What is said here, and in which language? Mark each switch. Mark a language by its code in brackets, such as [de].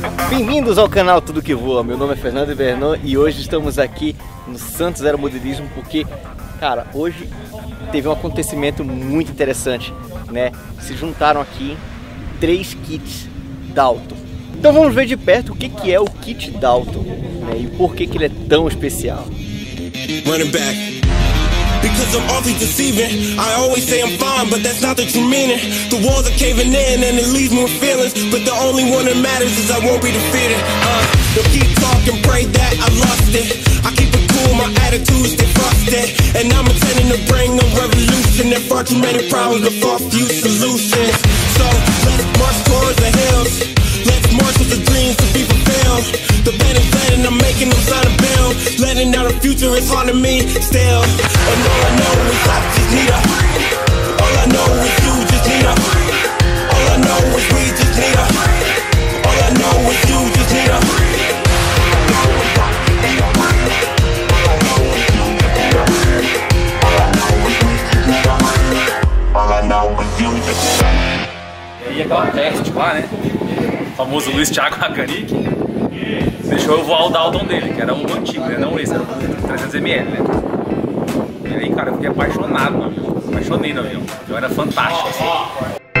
[pt] Bem-vindos ao canal Tudo Que Voa. Meu nome é Fernando Ibernon e hoje estamos aqui no Santos Aeromodelismo porque, cara, hoje teve um acontecimento muito interessante, né? Se juntaram aqui 3 kits Dalton. Então vamos ver de perto o que, que é o kit Dalton, né? E por que, que ele é tão especial. [en] Running back. Because I'm often deceiving, I always say I'm fine, but that's not the true meaning. The walls are caving in and it leaves me with feelings, but the only one that matters is I won't be defeated. They'll keep talking, pray that I lost it. I keep it cool, my attitudes, they frosted. And I'm intending to bring a revolution. There are far too many problems, but far few solutions. So let's march towards the hills. Let's march with the dreams to be fulfilled. The band is letting, I'm making them sign a bill. Letting out a future is haunting me still. And all I know is I just need a. All I know is you just need a. All I know is we just need a. All I know is you just need a. All I know is you just need a. [pt] E aí aquela peste lá, né? O famoso Luiz Thiago Hakanik deixou eu voar o Dalton dele, que era um antigo, né? Não esse, era o 300ml, né? E aí, cara, eu fiquei apaixonado no avião, apaixonei no avião, eu era fantástico, oh, assim.